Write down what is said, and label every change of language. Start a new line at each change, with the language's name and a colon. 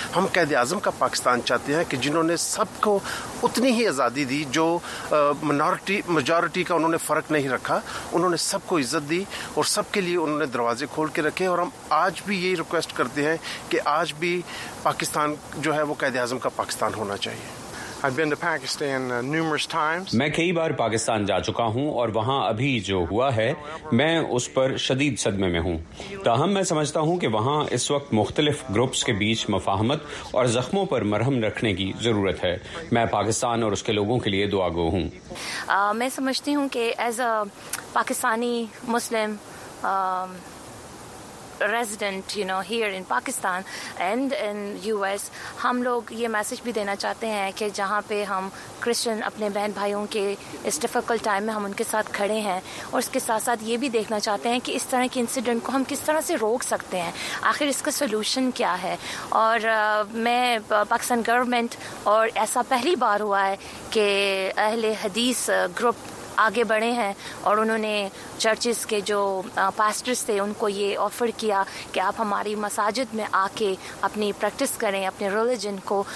Urdu: ہم قائد اعظم کا پاکستان چاہتے ہیں کہ جنہوں نے سب کو اتنی ہی آزادی دی، جو میجورٹی کا انہوں نے فرق نہیں رکھا، انہوں نے سب کو عزت دی اور سب کے لیے انہوں نے دروازے کھول کے رکھے. اور ہم آج بھی یہی ریکویسٹ کرتے ہیں کہ آج بھی پاکستان جو ہے وہ قائد اعظم کا پاکستان ہونا چاہیے.
English: I've been to Pakistan numerous times.
Urdu: میں کئی بار پاکستان جا چکا ہوں، اور وہاں ابھی جو ہوا ہے میں اس پر شدید صدمے میں ہوں. تاہم میں سمجھتا ہوں کہ وہاں اس وقت مختلف گروپس کے بیچ مفاہمت اور زخموں پر مرہم رکھنے کی ضرورت ہے. میں پاکستان اور اس کے لوگوں کے لیے دعا گو ہوں. میں سمجھتی ہوں کہ
English: as a Pakistani Muslim resident, you know, here in Pakistan and in US,
Urdu: ہم لوگ یہ میسج بھی دینا چاہتے ہیں کہ جہاں پہ ہم کرسچن اپنے بہن بھائیوں کے اس ڈیفیکلٹ ٹائم میں ہم ان کے ساتھ کھڑے ہیں، اور اس کے ساتھ ساتھ یہ بھی دیکھنا چاہتے ہیں کہ اس طرح کے انسیڈنٹ کو ہم کس طرح سے روک سکتے ہیں، آخر اس کا سولوشن کیا ہے. اور میں پاکستان گورنمنٹ، اور ایسا پہلی بار ہوا ہے کہ اہل حدیث گروپ آگے بڑھے ہیں اور انہوں نے چرچز کے جو پاسٹرز تھے ان کو یہ آفر کیا کہ آپ ہماری مساجد میں آ کے اپنی پریکٹس کریں اپنے ریلیجن کو.